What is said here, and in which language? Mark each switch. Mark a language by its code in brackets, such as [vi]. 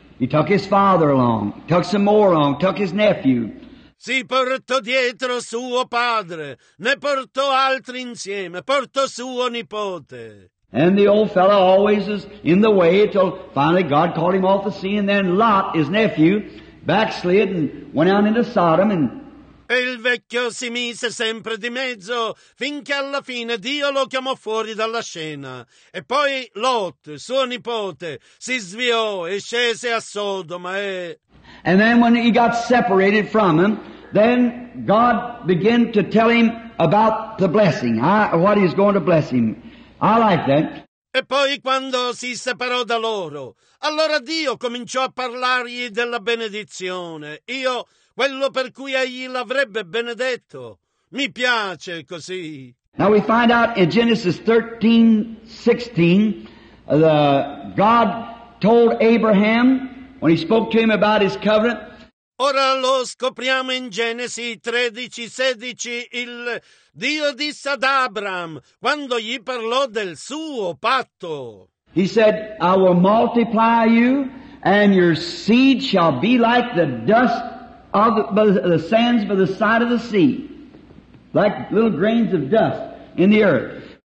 [en] He took his father along, took some more along, took his nephew. [it] Si portò dietro suo padre, ne portò altri insieme, portò suo nipote. [en] And the old fellow always is in the way until finally God called him off the scene, and then Lot, his nephew, backslid and went out into Sodom. And [it] e il vecchio si mise sempre di mezzo finché alla fine Dio lo chiamò fuori dalla scena. E poi Lot, suo nipote, si sviò e scese a Sodoma. E [en] and then when he got separated from him, then God began to tell him about the blessing, what he's going to bless him. I like that. [it] E poi quando si separò da loro, allora Dio cominciò a parlargli della benedizione. Io, quello per cui egli l'avrebbe benedetto. Mi piace così. [en] Now we find out in Genesis 13:16, God told Abraham, when he spoke to him about his covenant. [it] Ora lo scopriamo in Genesi 13:16, il Dio disse ad Abram quando gli parlò del suo patto. [en] He said, I will multiply you and your seed shall be like the dust of the sands by the side of the sea, like little grains of dust in the earth.